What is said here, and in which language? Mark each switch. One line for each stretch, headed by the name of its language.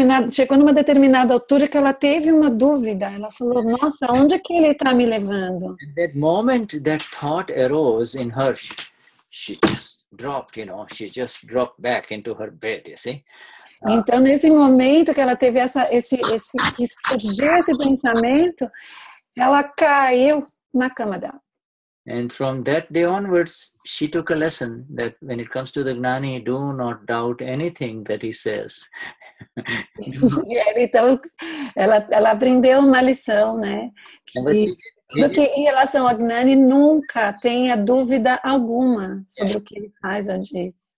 Portuguese: Chegou numa determinada altura que ela teve uma dúvida. Ela falou, nossa, onde que ele está me levando?
English: And that moment that thought arose in her, she just dropped, you know, she just dropped back into her bed, you see?
Portuguese: Então, nesse momento que ela teve que surgiu esse pensamento, ela caiu na cama dela.
English: And from that day onwards, she took a lesson that when it comes to the Gnani, do not doubt anything that he says.
Portuguese: Então, ela aprendeu uma lição, né? Que em relação ao Gnani, nunca tenha dúvida alguma sobre o que ele faz ou diz.